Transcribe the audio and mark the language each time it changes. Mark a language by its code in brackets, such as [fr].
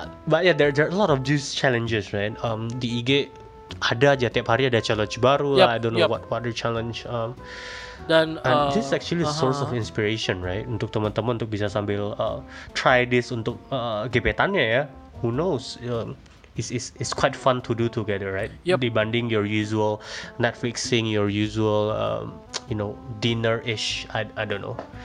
[en] But yeah, there are a lot of juice challenges, right? [id] Di IG ada aja. Tiap hari ada challenge baru lah. [en] Yep, I don't know what the challenge. And this is actually a source of inspiration, right? [id] Untuk teman-teman untuk bisa sambil [en] try this [id] untuk gebetannya ya. [en] Who knows? It's quite fun to do together, right? Yep. [id] Dibanding [en] your usual Netflixing, your usual dinner-ish, I don't know.